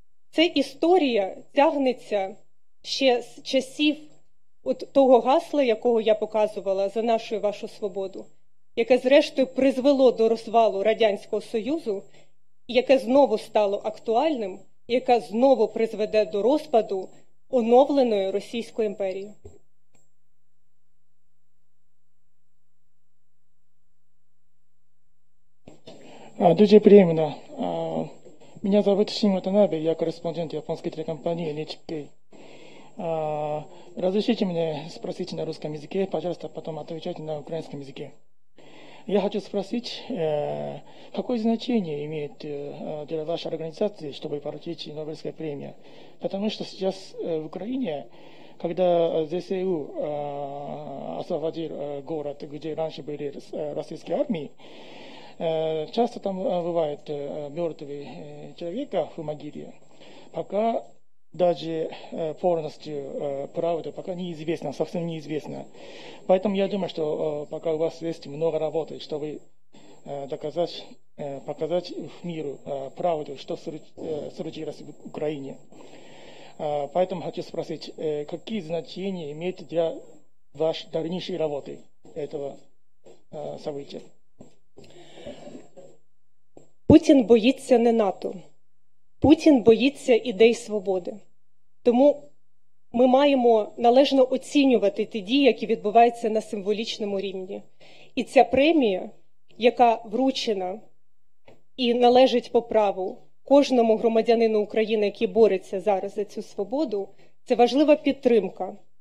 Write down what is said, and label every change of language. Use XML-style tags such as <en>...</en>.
<uk>Це історія тягнеться ще з часів от того гасла, якого я показувала, «За нашу і вашу свободу», яке, зрештою, призвело до розвалу Радянського Союзу, яке знову стало актуальним, яке знову призведе до розпаду оновленої Російської імперії. Дуже приємно. Мене звати Шіньо Танабе, я кореспондент японської телекомпанії NHK.</uk> <ru>Разрешите мне спросить на русском языке, пожалуйста, потом отвечать на украинском языке. Я хочу спросить, какое значение имеет для вашей организации, чтобы получить Нобелевскую премию? Потому что сейчас в Украине, когда ЗСУ освободил город, где раньше были российские армии, часто там бывают мертвые человека в могиле, пока даже полностью правда пока неизвестна, совсем неизвестна. Поэтому я думаю, что пока у вас есть много работы, чтобы показать в миру правду, что случилось в Украине. Поэтому хочу спросить, какие значения имеет для вашей дальнейшей работы этого события? Путин боится не НАТО.</ru> <uk>Путін боїться ідей свободи. Тому ми маємо належно оцінювати ті дії, які відбуваються на символічному рівні. І ця премія, яка вручена і належить по праву кожному громадянину України, який бореться зараз за цю свободу, це важлива підтримка.</uk>